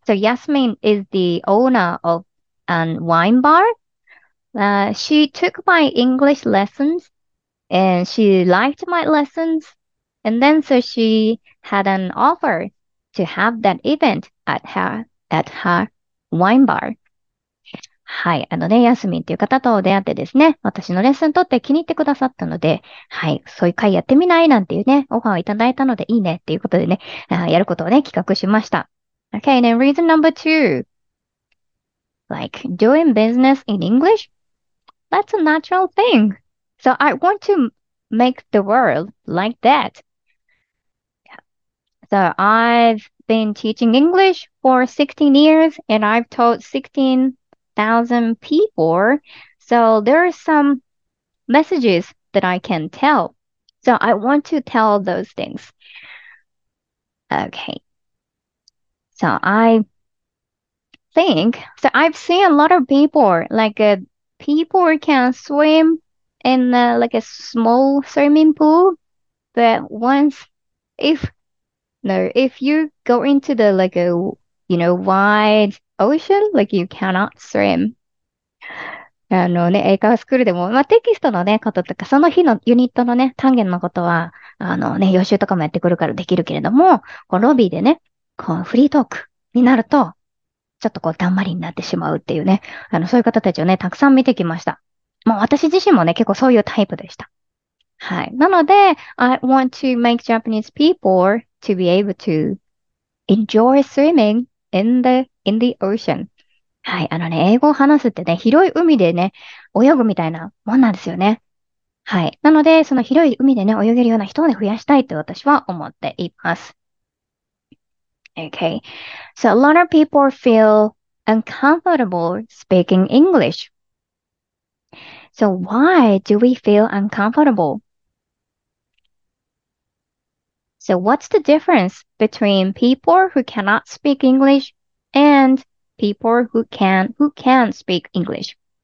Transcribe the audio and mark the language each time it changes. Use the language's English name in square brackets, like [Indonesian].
[English] So Yasmin is the owner of a wine bar. She took my English lessons and she liked my lessons. And then so she had an offer to have that event at her wine bar. [Japanese] はい。 Yasmin という方と出会ってですね、私のレッスン取って気に入ってくださったので、はい。そういう会やってみないなんていうね、オファーをいただいたのでいいねっていうことでね、やることをね、企画しました。 [English] Okay, and then reason number two. Like, doing business in English? That's a natural thing. So I want to make the world like that. Yeah. So I've been teaching English for 16 years and I've taught 16,000 people. So there are some messages that I can tell. So I want to tell those things. Okay. So I've seen a lot of people, like people can swim in like a small swimming pool, but once, if you go into the like a, you know, wide ocean, like you cannot swim. [Japanese] ね、英会話スクールでも、まあ、テキストのね、こととか、その日のユニットのね、単元のことは、予習とかもやってくるからできるけれども、こうロビーでね、こうフリートークになると、ちょっとこう、だんまりになってしまうっていうね。そういう方たちをね、たくさん見てきました。もう私自身もね、結構そういうタイプでした。はい。なので、 [English] I want to make Japanese people to be able to enjoy swimming in the ocean. [Japanese] はい、あのね、英語を話すってね、広い海でね、泳ぐみたいなもんなんですよね。はい。なので、その広い海でね、泳げるような人をね、増やしたいと私は思っています。 [English] Okay. So a lot of people feel uncomfortable speaking English. So why do we feel uncomfortable? So what's the difference between people who cannot speak English and people who can speak English?